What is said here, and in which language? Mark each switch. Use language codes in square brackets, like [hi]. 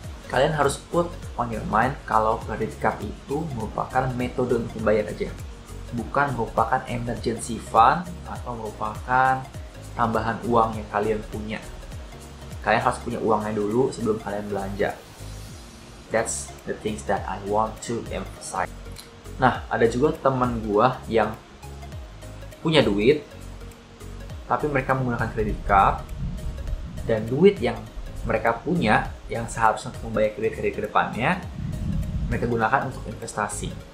[id] Kalian harus [en] put on your mind [id] kalau kredit card itu merupakan metode untuk membayar aja, bukan merupakan emergency fund atau merupakan tambahan uang yang kalian punya. Kalian harus punya uangnya dulu sebelum kalian belanja. [en] That's the things that I want to emphasize. [id] Nah, ada juga teman gua yang punya duit, tapi mereka menggunakan kredit card, dan duit yang mereka punya, yang seharusnya untuk membayar kredit-kredit kedepannya, mereka gunakan untuk investasi.